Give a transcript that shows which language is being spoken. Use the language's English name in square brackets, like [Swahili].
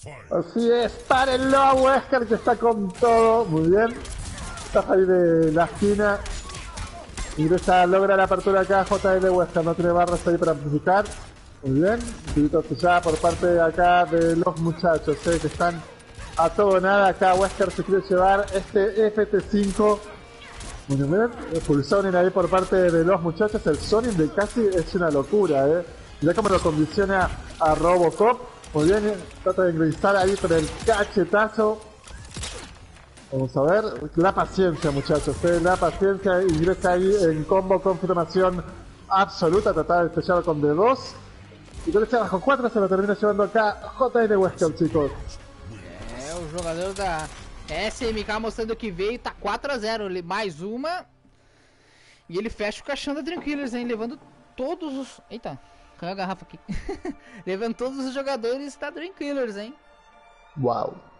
[Portuguese] Assim é, parelo a Wesker que está com todo, muito bem. Está saindo da esquina. [Spanish] Ingresa, logra la apertura acá, JL Wesker, no tiene barras ahí para amplificar. Muy bien, grito ya por parte de acá de los muchachos, ¿eh? Que están a todo nada acá. Wesker se quiere llevar este FT5. Muy bien, full zoning ahí por parte de los muchachos. El zoning de casi es una locura, ¿eh? Mirá cómo lo condiciona a Robocop. Muy bien, trata de ingresar ahí con el cachetazo. Vamos a ver, la paciencia, muchachos, ¿eh? La paciencia, ingresa ahí en combo, confirmación absoluta, tratar de estrellar con D2. Y con este bajo 4 se lo termina llevando acá JN Westcamp, chicos. [Portuguese] O jogador da SMK mostrando que veio, tá 4-0, mais uma. E ele fecha o caixão da Dream Killers, hein, levando todos os... Eita, caiu a garrafa aqui. Levando todos os jogadores da Dream Killers, hein. Uau.